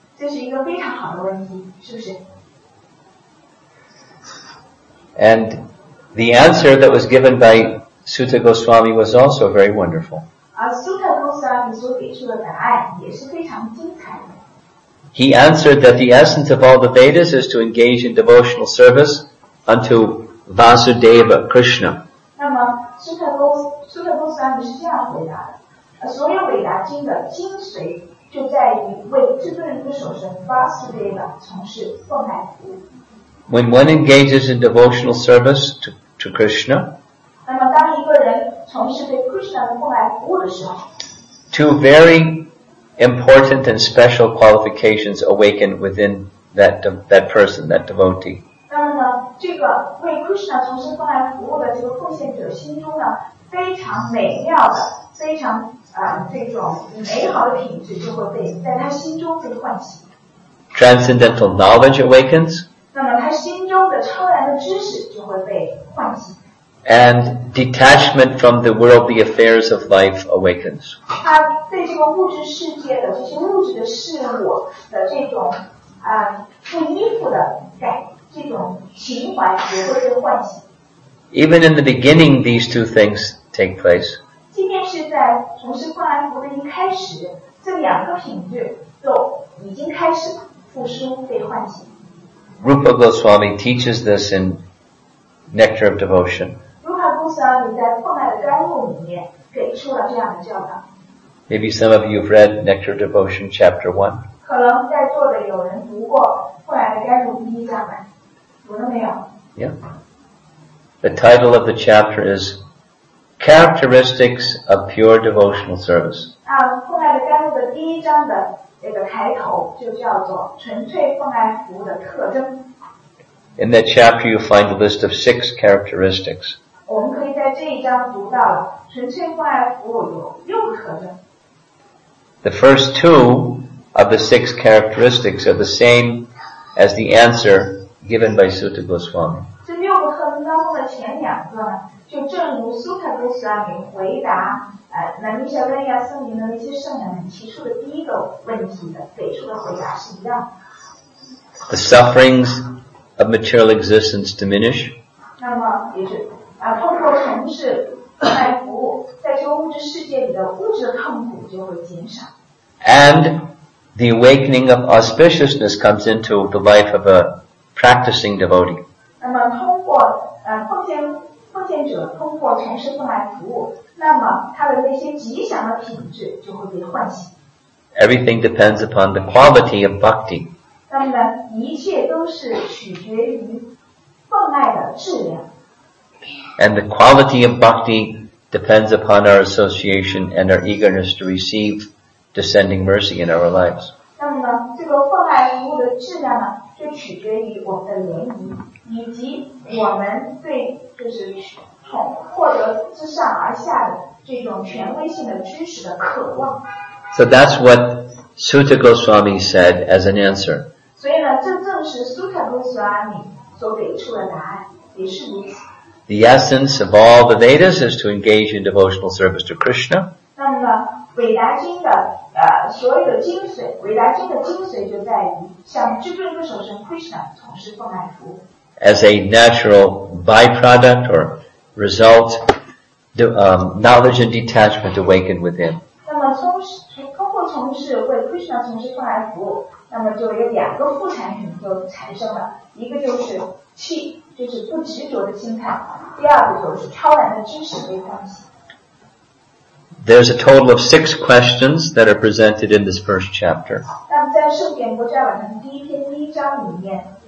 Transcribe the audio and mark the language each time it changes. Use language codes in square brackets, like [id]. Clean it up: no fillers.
[zh] 这是一个非常好的问题，是不是？ [en] And the answer that was given by Sutta Goswami was also very wonderful. [zh] Sutta Goswami 所给出的答案也是非常精彩的。 [en] He answered that the essence of all the Vedas is to engage in devotional service unto Vasudeva Krishna. [zh] 那么 Sutta Goswami 是这样回答的，所有伟达经的精髓就在于为至尊人的手身 Vasudeva 从事奉爱服务。 [en] When one engages in devotional service to Krishna, [zh] 那么当一个人从事对 Krishna 的奉爱服务的时候， [en] two very important and special qualifications awaken within that person, that devotee. [zh] 那么呢，这个为 Krishna 从事奉爱服务的这个奉献者心中呢，非常美妙的、非常这种美好的品质就会被在他心中被唤起。 [en] Transcendental knowledge awakens. [zh] 那么他心中的超然的知识就会被唤起。 [en] And detachment from the worldly affairs of life awakens. [zh] 他对这个物质世界的这些物质的事物的这种不依附的这种情怀也会被唤起。 [en] Even in the beginning, these two things take place. [zh] 即便是在从事奉爱服务的一开始，这两个品质都已经开始复苏被唤起。 [en] Rupa Goswami teaches this in Nectar of Devotion. [zh] Rupa Goswami 在奉爱的甘露里面给出了这样的教导。 [en] Maybe some of you have read Nectar of Devotion Chapter 1. [zh] 可能在座的有人读过奉爱的甘露第一章吗？读了没有？ [en] Yeah. The title of the chapter is Characteristics of Pure Devotional Service. [zh] 啊，奉爱的甘露的第一章的这个开头就叫做纯粹奉爱服务的特征。 [en] In that chapter, you find a list of 6 characteristics. [zh] 我们可以在这一章读到纯粹奉爱服务有六个特征。 [en] The first 2 of the 6 characteristics are the same as the answer given by Sutta Goswami. [zh] 这六个特征当中的前两个呢，就正如 Sutta Goswami 回答南尼夏温亚僧尼的那些圣人们提出的第一个问题的给出的回答是一样。 [en] The sufferings of material existence diminish. [zh] 那么也是通过从事奉爱服务，在这个物质世界里的物质的痛苦就会减少。 [en] And the awakening of auspiciousness comes into the life of a practicing devotee. [zh] 那么通过奉献者通过从事奉爱服务，那么他的那些吉祥的品质就会被唤醒。 [en] Everything depends upon the quality of bhakti. [zh] 那么呢，一切都是取决于奉爱的质量。 [en] And the quality of bhakti depends upon our association and our eagerness to receive descending mercy in our lives. [zh] 那么呢，这个奉爱服务的质量呢，就取决于我们的联谊。以及我们对就是从获得自上而下的这种权威性的知识的渴望。 [en] So that's what Sutta Goswami said as an answer. [zh] 所以呢，这正是 Sutta Goswami 所给出的答案，也是如此。 [en] The essence of all the Vedas is to engage in devotional service to Krishna. [zh] 那么伟达经的所有的精髓，伟达经的精髓就在于向至尊的手神 Krishna 从事奉爱服务。 [en] As a natural byproduct or result, knowledge and detachment awaken within. [zh] 那么通过从事为 Krishna 从事奉爱服务，那么就有两个副产品就产生了，一个就是气，就是不执着的心态；第二个就是超然的知识被唤醒。 [en] There's a total of 6 questions that are presented in this first chapter. [zh] 那么在圣严国教晚上第一篇第一章里面。